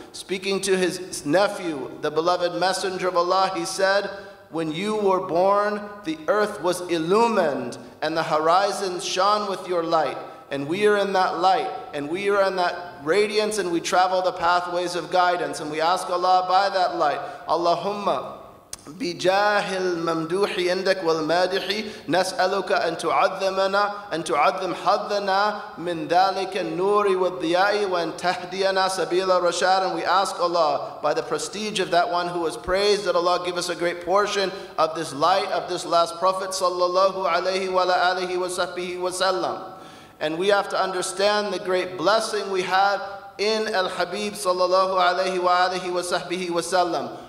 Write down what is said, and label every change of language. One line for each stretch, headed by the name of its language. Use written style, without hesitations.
English: Speaking to his nephew, the beloved messenger of Allah, he said, when you were born, the earth was illumined and the horizon shone with your light. And we are in that light and we are in that radiance and we travel the pathways of guidance. And we ask Allah by that light,
Arabic: Allahumma, بجاه الممدوح عندك والمادح نسألك أن تعظمنا أن تعظم حظنا من ذلك النور والضياء وأن تهدينا سبيل الرشاد.
English: And we ask Allah by the prestige of that one who was praised, that Allah give us a great portion of this light of this last prophet sallallahu alayhi wa alihi wa sahbihi wa sallam. And we have to understand the great blessing we have in al-habib sallallahu alayhi wa sahbihi wa sallam.